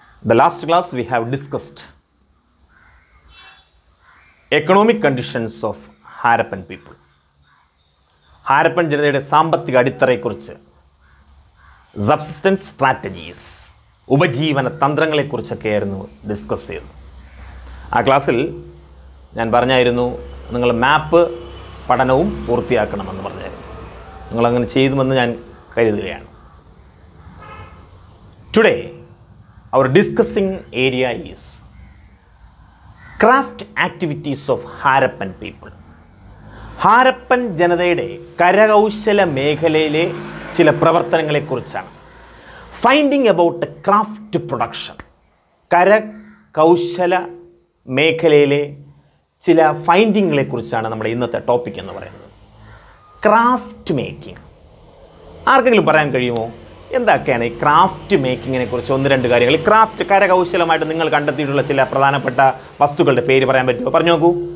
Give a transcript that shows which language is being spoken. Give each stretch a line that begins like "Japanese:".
English: The last class we have discussed economic conditions of Harappan people.
Malayalam: Harappan ജനതയുടെ സാമ്പത്തിക അടിത്തറയെക്കുറിച്ച്
English: subsistence strategies,
Malayalam: ഉപജീവന തന്ത്രങ്ങളെക്കുറിച്ചൊക്കെയായിരുന്നു discuss ചെയ്തത്. ആ ക്ലാസ്സിൽ ഞാൻ പറഞ്ഞായിരുന്നു നിങ്ങൾ മാപ്പ് പഠനവും പൂർത്തിയാക്കണമെന്ന് പറഞ്ഞായിരുന്നു. നിങ്ങൾ അങ്ങനെ ചെയ്തുമെന്ന് ഞാൻ കരുതുകയാണ്.
English: Today, our discussing area is craft activities of Harappan people.
Malayalam: Harappan ജനതയുടെ കരകൗശല മേഖലയിലെ ചില പ്രവർത്തനങ്ങളെക്കുറിച്ചാണ്.
English: Finding about the craft production.
Malayalam: കരകൗശല മേഖലയിലെ ചില ഫൈൻഡിങ്ങുകളെക്കുറിച്ചാണ് നമ്മുടെ ഇന്നത്തെ ടോപ്പിക് എന്ന് പറയുന്നത്. Craft making. ആർക്കെങ്കിലും പറയാൻ കഴിയുമോ എന്തൊക്കെയാണ് ഈ ക്രാഫ്റ്റ് മേക്കിങ്ങിനെ കുറിച്ച് ഒന്ന് രണ്ട് കാര്യങ്ങൾ? ക്രാഫ്റ്റ് കരകൗശലമായിട്ട് നിങ്ങൾ കണ്ടെത്തിയിട്ടുള്ള ചില പ്രധാനപ്പെട്ട വസ്തുക്കളുടെ പേര് പറയാൻ പറ്റുമോ? പറഞ്ഞു നോക്കൂ.